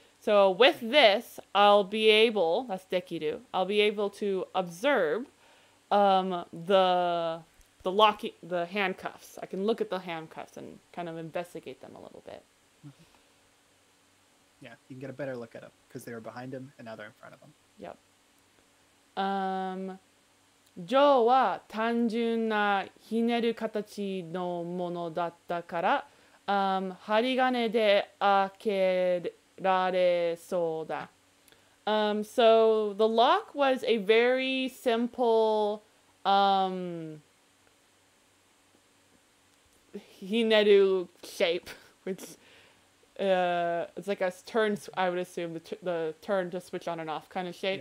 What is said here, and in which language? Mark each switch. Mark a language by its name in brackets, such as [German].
[English] So with this, I'll be able, that's dekiru, I'll be able to observe the locking, the handcuffs. I can look at the handcuffs and kind of investigate them a little bit. Yeah, you can get a better look at them because they were behind him and now they're in front of him. Yep. [Japanese] Joe は単純なひねる形のものだったから、針金で開けられそうだ。 [English] So the lock was a very simple, hineru shape, which it's like a turn, I would assume, the turn to switch on and off kind of shape.